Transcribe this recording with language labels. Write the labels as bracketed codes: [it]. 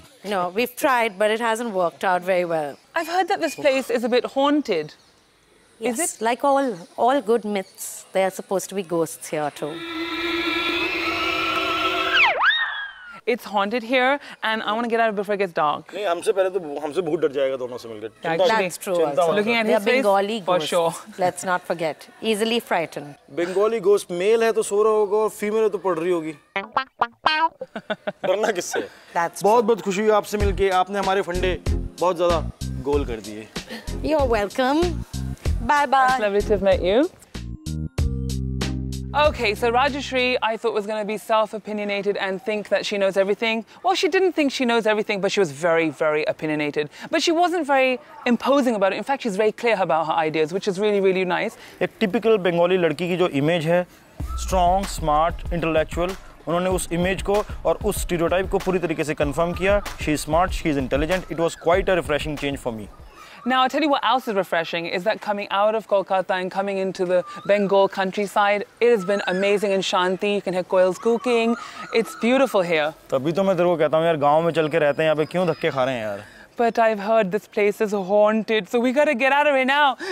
[en] No, we've tried, but it hasn't worked out very well. I've heard that this place is a bit haunted. Yes, is it? Like all good myths, there are supposed to be ghosts here too. It's haunted here, and I want to get out before it gets dark. No, [hi] हमसे पहले तो हमसे भूत डर जाएगा दोनों से मिलकर. [en] That's true. Looking at his Bengali face, ghost, for sure. Let's not forget. Easily frightened. Bengali ghost male [hi] है तो सो रहा होगा और female है तो पढ़ रही होगी. वरना किससे? [en] That's true. [hi] बहुत खुशी हुई आपसे मिलके. आपने हमारे फंडे बहुत ज़्यादा गोल कर दिए. [en] You're welcome. Bye bye. It's lovely to have met you. Okay, so Rajashree, I thought was going to be self-opinionated and think that she knows everything. Well, she didn't think she knows everything, but she was very, very opinionated. But she wasn't very imposing about it. In fact, she's very clear about her ideas, which is really, really nice. A typical Bengali [hi] ladki ki jo [en] image hai, strong, smart, intellectual. [hi] उन्होंने उस image को और उस stereotype को पूरी तरीके से confirm किया. [en] She is smart, she is intelligent. It was quite a refreshing change for me. Now, I'll tell you what else is refreshing, is that coming out of Kolkata and coming into the Bengal countryside, it has been amazing in Shanti. You can hear quails cooking. It's beautiful here. [hi] तभी तो मैं तेरे को कहता हूँ यार गांव में चल के रहते हैं यहाँ पे क्यों धक्के खा रहे हैं यार. [en] But I've heard this place is haunted, so we gotta get out of here now.